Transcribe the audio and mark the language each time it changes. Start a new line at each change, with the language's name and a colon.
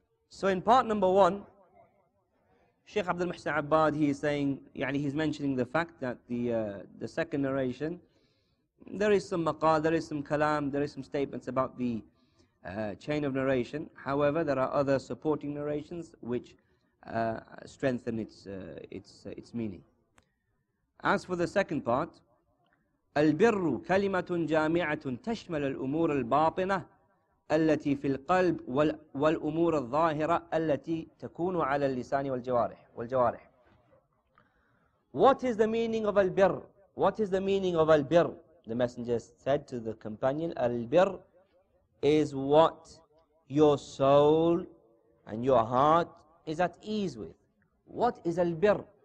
English: So in part number one, Shaykh Abdul Muhsin Abbad, he is saying, يعني he's mentioning the fact that the second narration, there is some maqal, there is some kalam, there is some statements about the chain of narration. However, there are other supporting narrations which strengthen its meaning. As for the second part,
Arabic: البر كلمة جامعة تشمل الأمور الباطنة التي في القلب والأمور الظاهرة التي تكون على اللسان والجوارح.
English: What is the meaning of البر? What is the meaning of البر? The Messenger said to the companion, البر is what your soul and your heart is at ease with. What is البر?